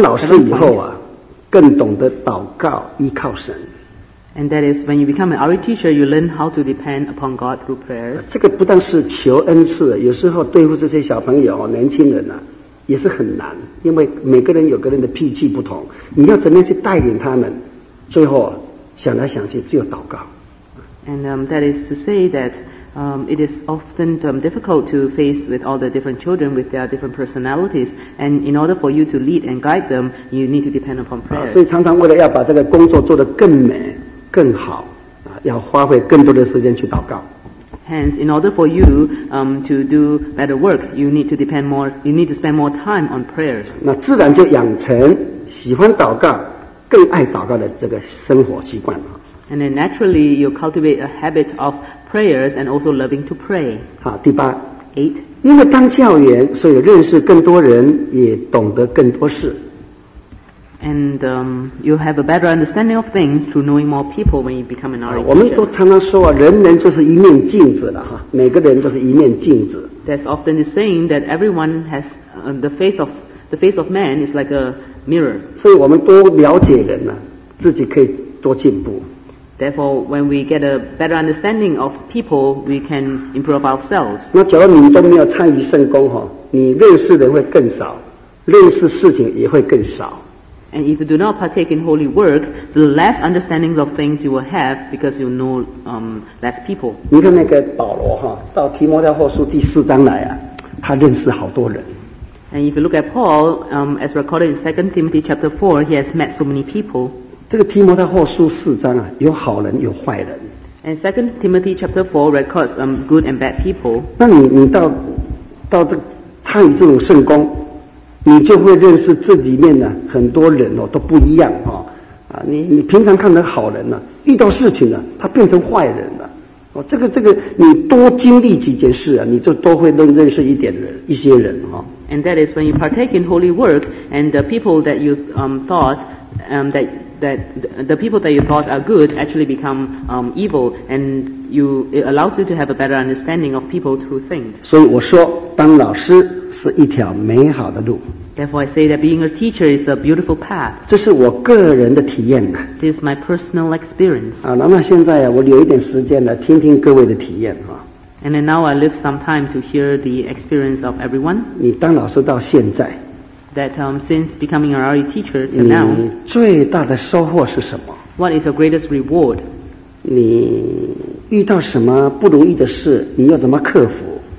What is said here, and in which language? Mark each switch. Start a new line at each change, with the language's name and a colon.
Chinese: 老师以后啊，更懂得祷告，依靠神。
English: And that is when you become an RE teacher, you learn how to depend upon God through prayers.
Chinese: 这个不但是求恩赐，有时候对付这些小朋友、年轻人啊，也是很难，因为每个人有个人的脾气不同，你要怎么样去带领他们，最后想来想去，只有祷告。
English: And that is to say that it is often difficult to face with all the different children with their different personalities. And in order for you to lead and guide them, you need to depend upon prayer.
Chinese: 所以常常为了要把这个工作做得更美、更好，要花费更多的时间去祷告。
English: Hence, in order for you to do better work, you need to spend more time on prayers.
Chinese: 那自然就养成喜欢祷告、更爱祷告的这个生活习惯了。
English: And then naturally, you cultivate a habit of prayers and also loving to pray.
Chinese: 好，第八。
English: 8.
Chinese: 因为当教员，所以认识更多人，也懂得更多事。
English: And you have a better understanding of things through knowing more people when you become an RE.
Chinese: 我们都常常说啊，人人就是一面镜子了哈，每个人都是一面镜子。
English: That's often the saying that everyone has the face of man is like a mirror.
Chinese: 所以我们多了解人呢，自己可以多进步。
English: Therefore, when we get a better understanding of people, we can improve ourselves.
Chinese: 那假如你都没有参与圣工哈，你认识的会更少，认识事情也会更少。
English: And if you do not partake in holy work, the less understanding of things you will have because you know less people.
Chinese: 你看那个保罗哈，到提摩太后书第四章来啊，他认识好多人。
English: And if you look at Paul, as recorded in 2 Timothy chapter 4, he has met so many people.
Chinese: 这个提摩太后书四章啊，有好人有坏人。
English: And Second Timothy chapter 4 records good and bad people.
Chinese: 那你到这参与这种圣工，你就会认识这里面呢很多人哦都不一样哦啊，你平常看的好人呢、啊，遇到事情呢、啊、他变成坏人了哦。这个你多经历几件事啊，你就多会认识一些人哦。
English: And that is when you partake in holy work and the people that you thought that the people that you thought are good actually become evil, and it allows you to have a better understanding of people through things.
Chinese: 所以我说, 当老师是一条美好的路。
English: Therefore, I say that being a teacher is a beautiful path.
Chinese: 这是我个人的体验呢。
English: This is my personal experience.
Chinese: 那现在啊, 我留一点时间了, 听听各位的体验啊。
English: And then now I leave some time to hear the experience of everyone.
Chinese: 你当老师到现在,
English: that since becoming a RE teacher till now,
Chinese: 你最大的收获是什么?
English: What is your greatest reward?
Chinese: 你遇到什么不如意的事, 你要怎么克服?